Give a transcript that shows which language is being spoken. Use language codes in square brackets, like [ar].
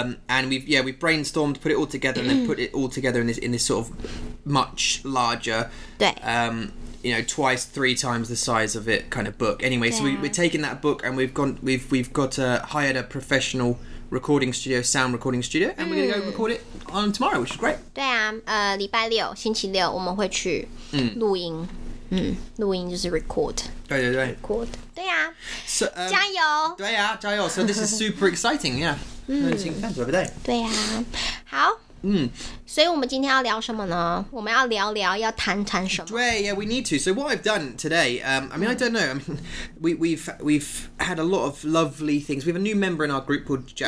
[en] And we've brainstormed, put it all together, and then put it all together in this sort of much larger. [zh] 对。 [en] Twice, three times the size of it kind of book. Anyway, so we're taking that book and we've hired a professional sound recording studio, and we're going to go record it on tomorrow, which is great. [zh] 对啊，礼拜六，星期六，我们会去录音。录音就是 record。对对对。 Record。 对啊。 [en] So, [zh] 加油。对啊，加油。 [en] So this is super exciting, yeah. Noticing fans every day. [zh] 对啊。好。所以我们今天要聊什么呢？我们要聊聊，要谈谈什么？ [en] 对 ，Yeah, we need to. So what I've done today, I don't know. I mean, we've had a lot of lovely things. We have a new member in our group called Jack.